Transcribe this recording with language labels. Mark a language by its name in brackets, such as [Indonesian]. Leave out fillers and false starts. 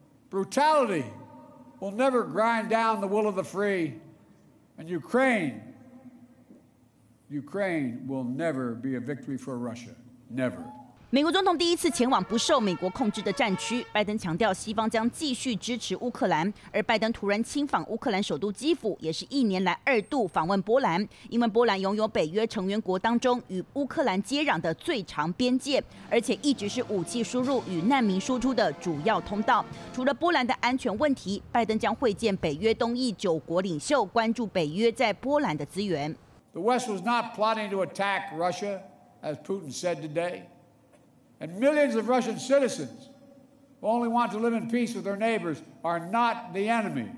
[English] Brutality will never grind down the will of the free, and Ukraine will never be a victory for Russia. Never. [Chinese] 美国总统第一次前往不受美国控制的战区，拜登强调西方将继续支持乌克兰。而拜登突然亲访乌克兰首都基辅，也是一年来二度访问波兰，因为波兰拥有北约成员国当中与乌克兰接壤的最长边界，而且一直是武器输入与难民输出的主要通道。除了波兰的安全问题，拜登将会见北约东翼九国领袖，关注北约在波兰的资源。 [English] The West was not plotting to attack Russia, as Putin said today. And millions of Russian citizens who only want to live in peace with their neighbors are not the enemy.